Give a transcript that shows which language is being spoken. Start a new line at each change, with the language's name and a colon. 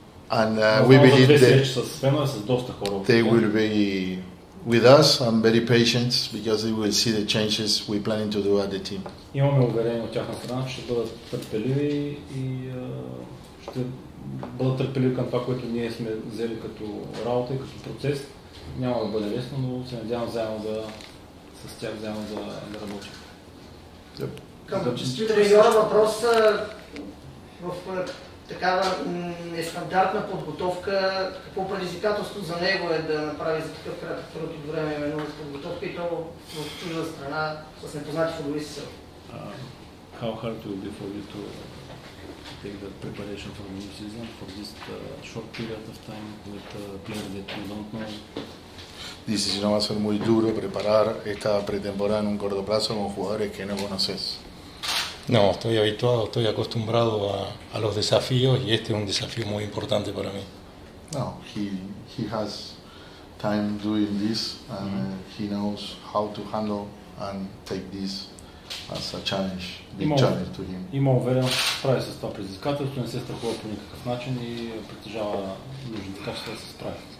English: And we believe that they will be with us, I'm very patient because they will see the changes we planning to do at the team.
Bulgarian: Имаме уверение от тяхна страна, ще бъдат търпеливи и ще бъдат търпеливи към това, което ние сме взели като работа и като процес. Няма да бъде лесно, но се надявам заедно да с тях заедно да работим.
English: Yep.
Bulgarian: Към честит треньор, въпрос в такава нестандартна подготовка, какво предизвикателство за него е да направи за такъв кратък труд и време именно с подготовка и то в чужда страна с непознати футболисти.
English: How hard will be for you to take that preparation for the new season for this short period of time with players that you don't know?
Spanish: Dice, si no va a ser muy duro preparar esta pretemporada en un corto plazo con jugadores que no conoces. No, estoy habituado, estoy acostumbrado a los desafíos y este es un desafío muy importante para mí.
English: No, he has time doing this and he knows how to handle and take this as a challenge, big challenge to him.
Bulgarian: Има увереност, прави с това предизвикателство, не се страхува по никакъв начин и притежава нужните качества да се справи.